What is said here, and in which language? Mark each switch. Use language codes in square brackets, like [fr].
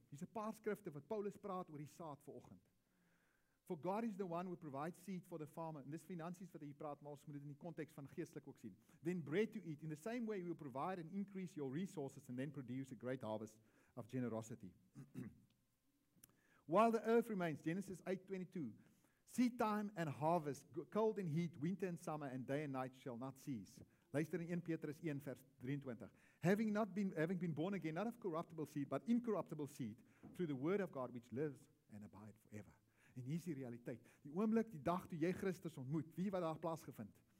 [af] Hier's 'n paar skrifte wat Paulus praat oor die saad vanoggend. [en] For God is the one who provides seed for the farmer. [af] En dis finansies wat hy praat, maar ons moet dit in die context van geestelik ook sien. [en] Then bread to eat. In the same way, we will provide and increase your resources and then produce a great harvest of generosity. While the earth remains, Genesis 8:22, seed time and harvest, cold and heat, winter and summer, and day and night shall not cease. [af] Luister in 1 Petrus 1, vers 23. [en] Having been born again, not of corruptible seed, but incorruptible seed, through the word of God which lives and abides forever. [af] En hier is die realiteit. Die oomblik, die dag toe jy Christus ontmoet, wie wat daar plaasgevind?